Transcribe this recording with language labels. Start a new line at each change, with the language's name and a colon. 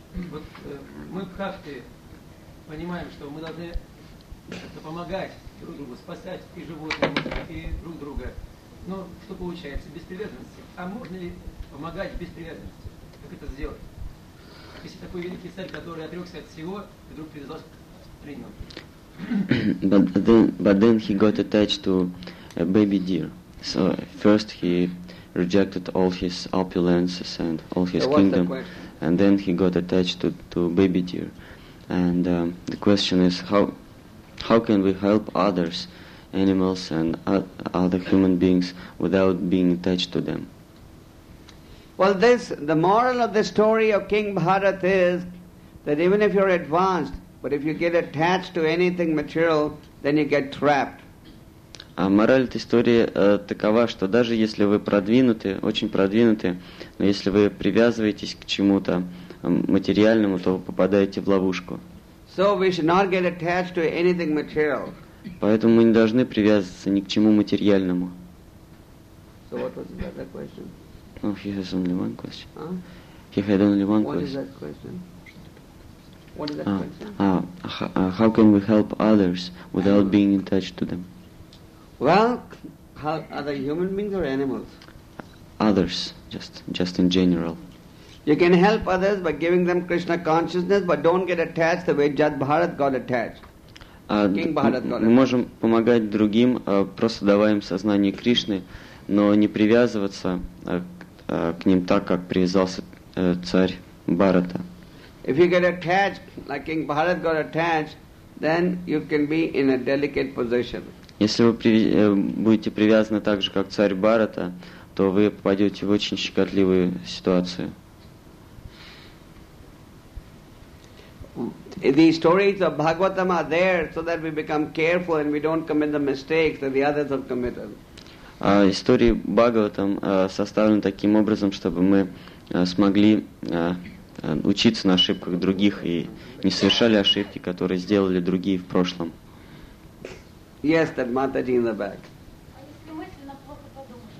Russian: Вот мы в Бхакти понимаем, что мы должны помогать друг другу, спасать и животным, и друг друга. Но что получается? Без привязанности. А можно ли помогать без привязанности? Как это сделать? Если такой великий царь, который отрекся от всего, и вдруг привязался к
English: But then he got attached to a baby deer. So first he rejected all his opulences and all his kingdom, and then he got attached to baby deer. And the question is how can we help others, animals and other human beings without being attached to them? Well, the moral of the story of King Bharat is that even if you're advanced, but if you get attached to anything material, then you get trapped.
Russian: А мораль этой истории такова, что даже если вы продвинуты, очень продвинуты, но если вы привязываетесь к чему-то материальному, то вы попадаете в ловушку.
English: So we should not get attached to anything material.
Russian: Поэтому мы не должны привязываться ни к чему материальному.
English: So what was the other question? Oh, he has only one question. Huh? He had only one question. What is that question? What is that question? How can we help others without being attached to them? Well, how, are they human beings or animals? Others, just in general. You can help others by giving them Krishna consciousness, but don't get attached the way Jat Bharat got attached. King Bharat got
Russian: Мы можем помогать другим, просто давая им сознание Кришны, но не привязываться к ним так, как привязался царь Бхарата.
English: If you get attached, like King Bharat got attached, then you can be in a delicate position.
Russian: Если вы будете привязаны так же, как царь Бхарата, то вы попадете в очень щекотливую ситуацию.
English: The stories of Bhagavatam are there so that we become careful and we don't commit the mistakes that the others have committed.
Russian: Истории Бхагаватам составлены таким образом, чтобы мы смогли учиться на ошибках других и не совершали ошибки, которые сделали другие в прошлом.
English: Yes, that Mataji in the back.
Russian: А если мысленно плохо подумаешь,